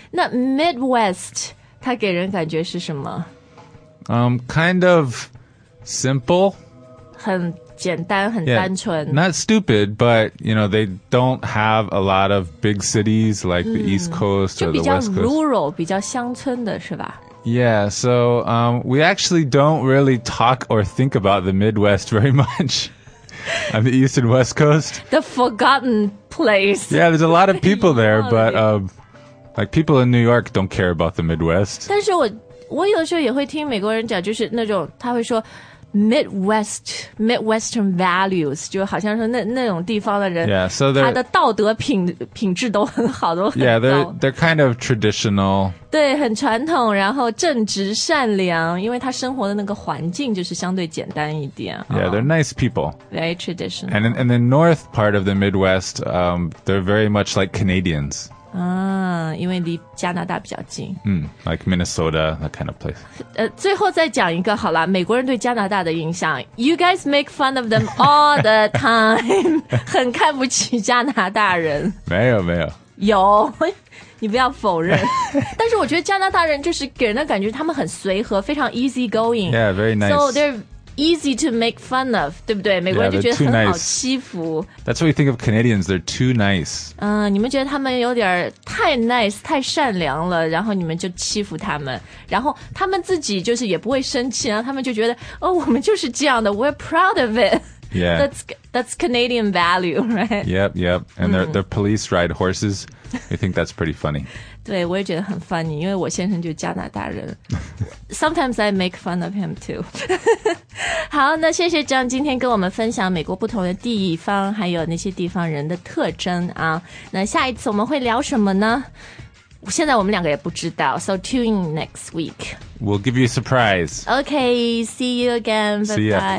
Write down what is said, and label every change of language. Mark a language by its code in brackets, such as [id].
[zh] 那 Midwest, 它给人感觉是什么？ [en] Kind of simple. [zh] 很简单，很单纯。 [en] Yeah, not stupid, but, you know, they don't have a lot of big cities like the East Coast or the West Coast. [zh] 就比较 rural, 比较乡村的是吧？ [en] Yeah, so we actually don't really talk or think about the Midwest very much on the East and West Coast. The forgotten place. Yeah, there's a lot of people there, but like people in New York don't care about the Midwest. [zh] 但是我有时候也会听美国人讲，就是那种他会说 Midwestern values, 就好像说那种地方的人，他的道德品质都很好，都很高。 [en] Yeah, they're kind of traditional. [zh] 对，很传统，然后正直善良，因为他生活的那个环境就是相对简单一点。 [en] Yeah, they're nice people. Very traditional. And in the north part of the Midwest, they're very much like Canadians. [zh] 因为离加拿大比较近。 [en] Like Minnesota, that kind of place. [zh] 最后再讲一个好了，美国人对加拿大的印象。 [en] You guys make fun of them all the time. [zh] 很看不起加拿大人。没有，没有。有。你不要否认但是我觉得加拿大人就是给人的感觉他们很随和非常 [en] easy going Yeah, very nice So they're easy to make fun of [zh] 对不对美国人就觉得很好欺负 [en] That's what you think of Canadians They're too nice [zh] 你们觉得他们有点太 nice 太善良了然后你们就欺负他们然后他们自己就是也不会生气然后他们就觉得哦，我们就是这样的 [en] We're proud of it Yeah. That's Canadian value, right? Yep, yep. And their police ride horses. I think that's pretty funny. [zh] 对，我也觉得很 funny, 因为我先生就是加拿大人。 [en] Sometimes I make fun of him too. [zh] 好，那谢谢 John 今天跟我们分享美国不同的地方，还有那些地方人的特征啊。那下一次我们会聊什么呢？现在我们两个也不知道。 [en] So tune in next week. We'll give you a surprise. Okay, see you again. Bye-bye.